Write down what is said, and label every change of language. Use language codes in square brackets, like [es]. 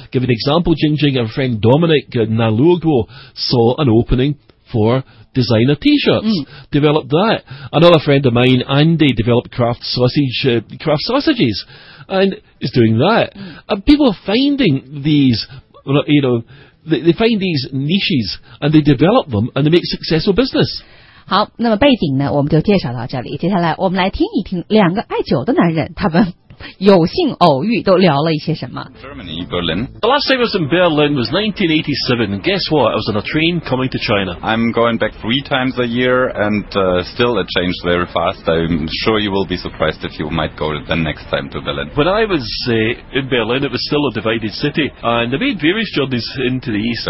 [en] Give an example, Jingjing, our friend Dominic Naluogo saw an opening for designer t-shirts, developed that. Another friend of mine, Andy, developed craft sausages, and is doing that. And people are finding these, you know, they find these niches, and they develop them, and they make successful business. [zh] 好，那么背景呢，我们就介绍到这里。接下来，我们来听一听两个爱酒的男人，他们有幸偶遇，都聊了一些什么。 [en] Germany, Berlin. The last time I was in Berlin was 1987, and guess what? I was on a train coming to China. I'm going back 3 times a year, and still it changed very fast. I'm sure you will be surprised if you might go the next time to Berlin. When I was in Berlin, it was still a divided city, and I made various journeys into the east.